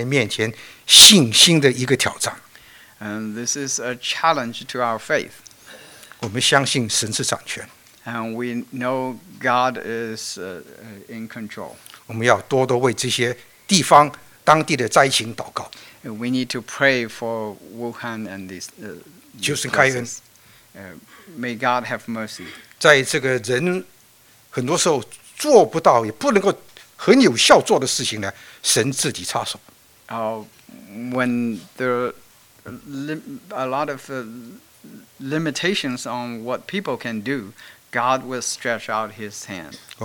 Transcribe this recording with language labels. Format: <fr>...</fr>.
<zh>这个时候就是更加要我们在神的面前信心的一个挑战。</zh> <en>And this is a challenge to our faith.</en> <zh>我们相信神是掌权。</zh> <en>And we know God is in control.</en> <zh>我们要多多为这些地方 当地的灾情祷告。</zh> <en>We need to pray for Wuhan and these places. May God have mercy.</en> <zh>在这个人很多时候做不到也不能够很有效做的事情呢，神自己插手。</zh> <en>When there are a lot of limitations on what people can do, God will stretch out His hand.</en>